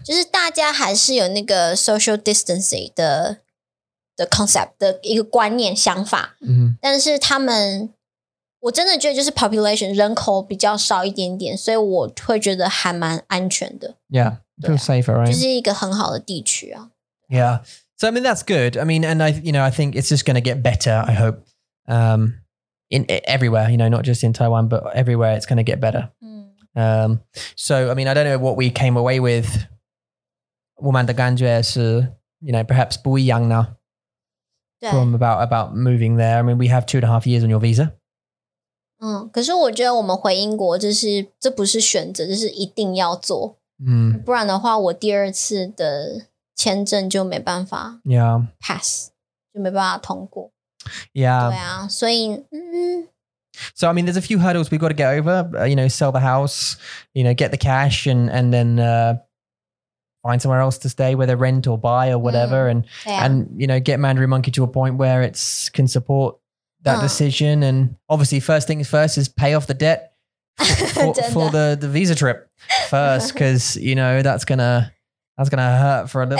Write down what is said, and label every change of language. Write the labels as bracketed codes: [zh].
[zh] 就是大家还是有那个 [en] social distancing [zh] 的 concept, 的一个观念想法。但是他们我真的觉得就是 population, 人口比较少一点点所以我会觉得还蛮安全的。 [en] Yeah, feel safer, right? [zh] 就是一个很好的地区啊。 [en] Yeah, so I mean, that's good. I mean, and I, you know, I think it's just going to get better, I hope, in everywhere, you know, not just in Taiwan, but everywhere it's going to get better.、so, I mean, I don't know what we came away with. [zh] 我们的感觉是, [en] you know, perhaps [zh] 不一样呢 [en] from about moving there. I mean, we have 2.5 years on your visa. [zh] 可是我觉得我们回英国就是这不是选择就是一定要做。不然的话我第二次的签证就没办法 pass, 就没办法通过。对啊所以 [en] So, I mean, there's a few hurdles we've got to get over, you know, sell the house, you know, get the cash and then, find somewhere else to stay, whether rent or buy or whatever, and, you know, get Mandarin Monkey to a point where it can supportsupport that decision and obviously first things first is pay off the debt for the visa trip first because you know that's gonna hurt for a little